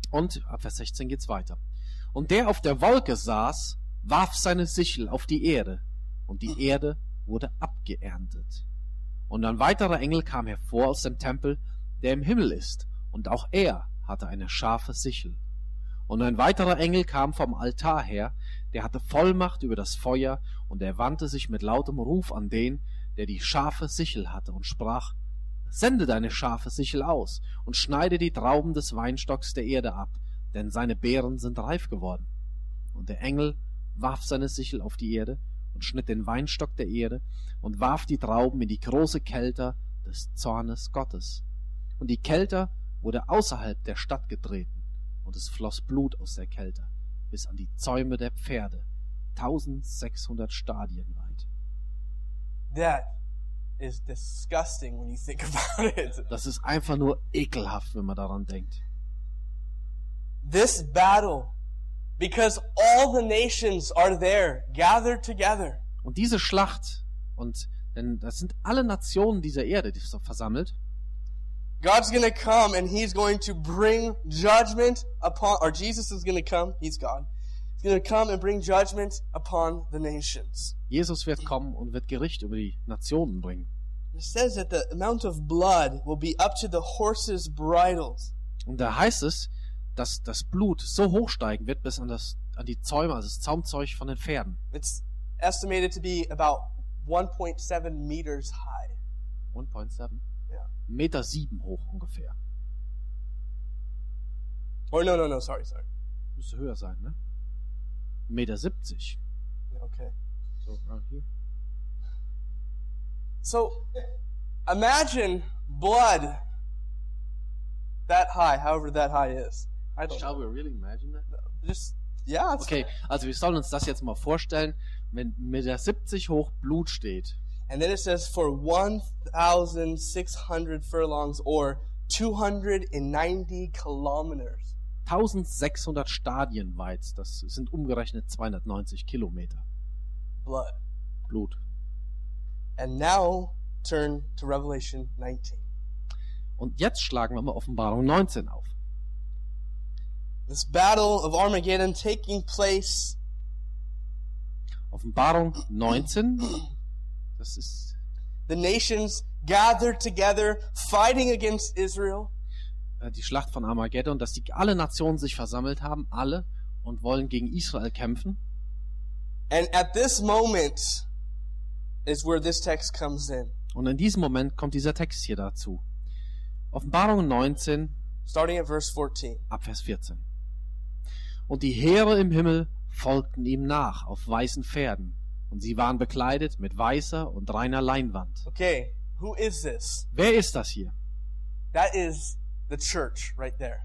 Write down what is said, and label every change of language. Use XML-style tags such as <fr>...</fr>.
<de>Und ab Vers 16 geht's weiter. Und der auf der Wolke saß, warf seine Sichel auf die Erde, und die Erde wurde abgeerntet. Und ein weiterer Engel kam hervor aus dem Tempel, der im Himmel ist, und auch er hatte eine scharfe Sichel. Und ein weiterer Engel kam vom Altar her, der hatte Vollmacht über das Feuer, und er wandte sich mit lautem Ruf an den, der die scharfe Sichel hatte, und sprach: Sende deine scharfe Sichel aus und schneide die Trauben des Weinstocks der Erde ab, denn seine Beeren sind reif geworden. Und der Engel warf seine Sichel auf die Erde und schnitt den Weinstock der Erde und warf die Trauben in die große Kelter des Zornes Gottes. Und die Kelter wurde außerhalb der Stadt getreten, und es floss Blut aus der Kelter bis an die Zäume der Pferde, 1600 Stadien weit.</de> <en>That is disgusting when you think about it.</en> <de>Das ist einfach nur ekelhaft, wenn man daran denkt.</de> <en>This battle, because all the nations are there gathered together.</en> <de>Und diese Schlacht, und denn das sind alle Nationen dieser Erde, die sind versammelt.</de> <en>God's going to come and he's going to bring judgment upon, or Jesus is going to come, he's God. He's going to come and bring judgment upon the nations.</en> <de>Jesus wird kommen und wird Gericht über die Nationen bringen.</de> <en>It says that the amount of blood will be up to the horses' bridles.</en> <de>Und da heißt es, dass das Blut so hoch steigen wird bis an die Zäume, also das Zaumzeug von den Pferden.</de> <en>It's estimated to be about 1.7 meters high. 1.7? Yeah.</en> <de>Meter 7 hoch ungefähr.</de> <en>Oh, no, sorry.</en> <de>Müsste höher sein, ne? Meter 70.</de> <en>Okay. So, around here. So, imagine blood that high, however that high is. Shall we really imagine that? Just, yeah,</en> <de>okay, also wir sollen uns das jetzt mal vorstellen, wenn mit der 70 hoch Blut steht.</de> <en>And then it says for 1,600 furlongs or 290 kilometers.</en> <de>1,600 Stadien weit, das sind umgerechnet 290 Kilometer.</de> <en>Blood.</en> <de>Blut.</de> <en>And now turn to Revelation 19.</en> <de>Und jetzt schlagen wir mal Offenbarung 19 auf.</de> <en>This battle of Armageddon taking place.</en> <de>Offenbarung 19. Das ist</de> <en>the nations gathered together fighting against Israel.</en> <de>Die Schlacht von Armageddon, dass die alle Nationen sich versammelt haben, alle, und wollen gegen Israel kämpfen.</de> <en>And at this moment is where this text comes in.</en> <de>Und in diesem Moment kommt dieser Text hier dazu. Offenbarung 19.</de> <en>Starting at verse 14.</en> <de>Ab Vers 14. Und die Heere im Himmel folgten ihm nach auf weißen Pferden, und sie waren bekleidet mit weißer und reiner Leinwand.</de> <en>Okay, who is this?</en> <de>Wer ist das hier?</de> <en>That is the church right there.</en>